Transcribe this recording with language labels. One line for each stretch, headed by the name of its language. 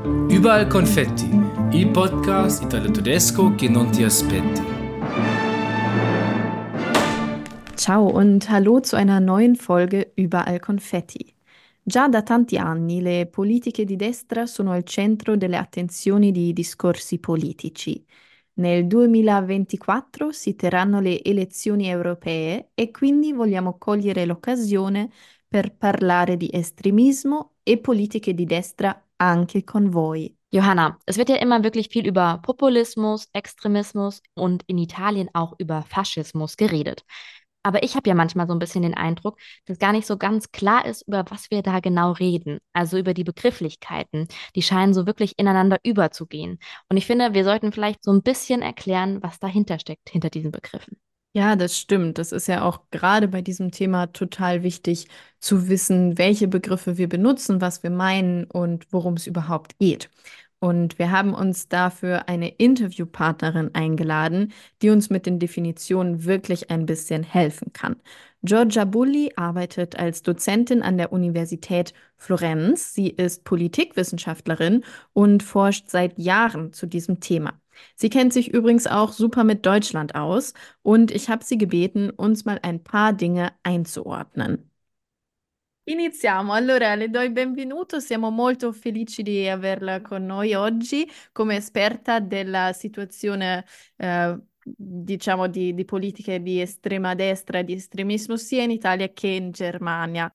Italian: Überall Konfetti, il Podcast Italo Tedesco che non ti aspetti. Ciao
German: und hallo zu einer neuen Folge Überall Konfetti.
Italian: Già da tanti anni le politiche di destra sono al centro delle attenzioni di discorsi politici. Nel 2024 si terranno le elezioni europee e quindi vogliamo cogliere l'occasione per parlare di estremismo e politiche di destra anche con voi.
German: Johanna, es wird ja immer wirklich viel über Populismus, Extremismus und in Italien auch über Faschismus geredet. Aber ich habe ja manchmal so ein bisschen den Eindruck, dass gar nicht so ganz klar ist, über was wir da genau reden. Also über die Begrifflichkeiten, die scheinen so wirklich ineinander überzugehen. Und ich finde, wir sollten vielleicht so ein bisschen erklären, was dahinter steckt, hinter diesen Begriffen. Ja, das stimmt. Das ist ja auch gerade bei diesem Thema total wichtig zu wissen, welche Begriffe wir benutzen, was wir meinen und worum es überhaupt geht. Und wir haben uns dafür eine Interviewpartnerin eingeladen, die uns mit den Definitionen wirklich ein bisschen helfen kann. Giorgia Bulli arbeitet als Dozentin an der Universität Florenz. Sie ist Politikwissenschaftlerin und forscht seit Jahren zu diesem Thema. Sie kennt sich übrigens auch super mit Deutschland aus und ich habe sie gebeten, uns mal ein paar Dinge einzuordnen.
Italian: Iniziamo, allora le do il benvenuto, siamo molto felici di averla con noi oggi come esperta della situazione, diciamo, di politiche di estrema destra e di estremismo sia in Italia che in Germania.